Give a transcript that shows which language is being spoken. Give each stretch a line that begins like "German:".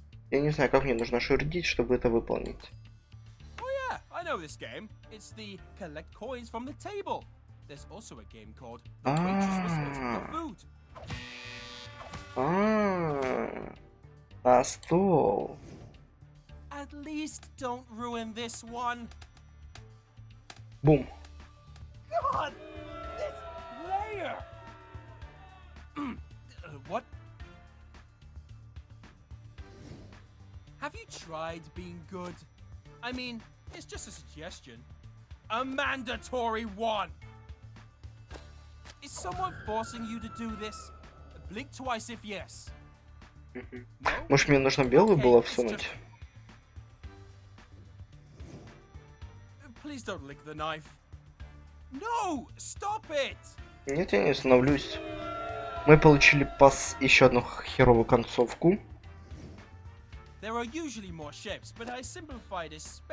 Russian: Я не знаю, как мне нужно шердить, чтобы это выполнить.
English: Oh yeah, I know this game. It's the collect coins from the table. There's also a game called the waitress was eating the food.
Russian: На стол.
English: At least don't ruin this one. Бум. God, this player. What? Have you tried being good? I mean, it's just a suggestion. A mandatory one. Is someone forcing you to do this? Blink twice if yes.
Russian: Может, мне нужно белую было всунуть?
English: Please don't lick the knife. No, stop it!
Russian: Нет, я не остановлюсь. Мы получили пас еще одну херовую концовку.
English: There are usually more shapes, but I simplified this.